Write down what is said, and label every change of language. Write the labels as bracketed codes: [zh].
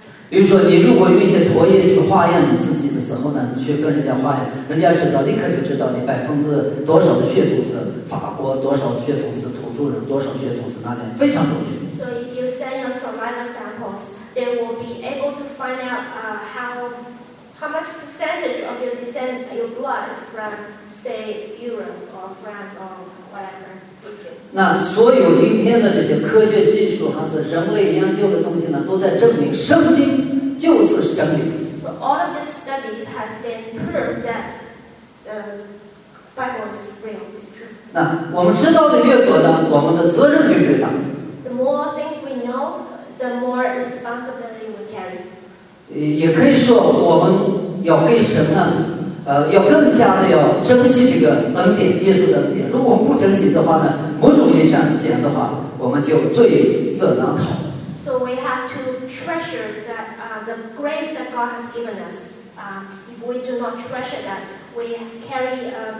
[zh] 比如说你如果用一些唾液去化验你自己的时候呢，你去跟人家化验，人家知道立刻就知道你百分之多少的血统是法国，多少血统是土著人，多少血统是哪里，非常准确。 [en] So if you send your saliva samples, they will be able to find out how much percentage of your descent, your blood is from say Europe or France or whatever. [zh] 那所有今天的这些科学技术还是人类研究的东西呢，都在证明圣经就是真理。 [en] So all of these studies has been proved that the Bible is real, is true. [zh] 那我们知道的越多呢，我们的责任就越大。 [en] The more things we know, the more responsibility we carry. [zh] 也可以说我们要跟神呢要更加的要珍惜这个恩典，耶稣的恩典。如果不珍惜的话呢，某种意义上讲的话，我们就罪责难逃。 [en] So we have to treasure that the grace that God has given us. If we do not treasure that, we carry